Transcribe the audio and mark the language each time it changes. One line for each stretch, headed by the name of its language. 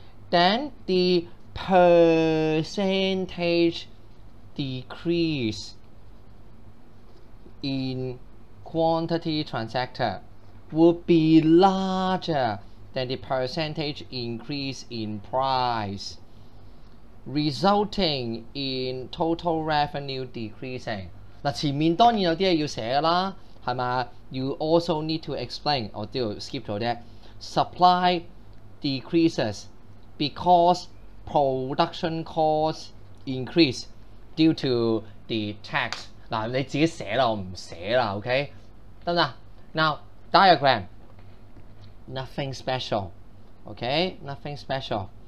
English: Then the percentage decrease in quantity transacted would be larger than the percentage increase in price, resulting in total revenue decreasing.
Cantonese: 前面當然有些要寫啦，係嘛？
English: You also need to explain.
Cantonese: 我都要 skip 咗啲。
English: Supply decreases because production costs increase due to the tax.
Cantonese: 嗱，你自己寫啦，我唔寫啦 ，OK？ 得唔得？
English: Now diagram. Nothing special. OK? Nothing special.